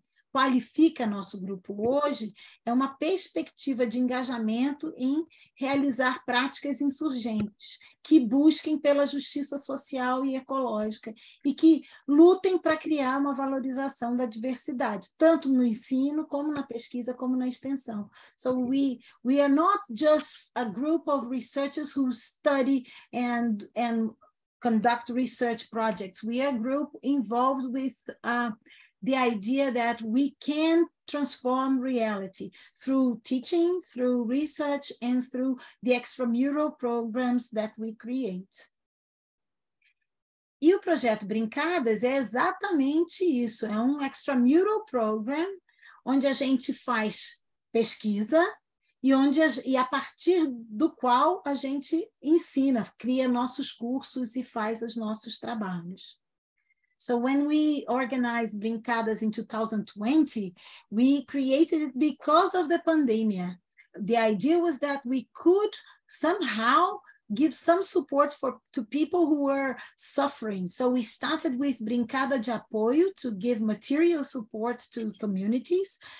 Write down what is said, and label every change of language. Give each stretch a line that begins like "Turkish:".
Portuguese: qualifica nosso grupo hoje é uma perspectiva de engajamento em realizar práticas insurgentes que busquem pela justiça social e ecológica e que lutem para criar uma valorização da diversidade, tanto no ensino, como na pesquisa, como na extensão.
English: So we are not just a group of researchers who study and conduct research projects. We are a group involved with the idea that we can transform reality through teaching, through research, and through the extramural programs that we create.
Portuguese: E o projeto Brincadas é exatamente isso. É um extramural program onde a gente faz pesquisa e a partir do qual a gente ensina, cria nossos cursos e faz os nossos trabalhos.
English: So when we organized Brincadas in 2020, we created it because of the pandemic. The idea was that we could somehow give some support to people who were suffering. So we started with Brincada de Apoio to give material support to communities.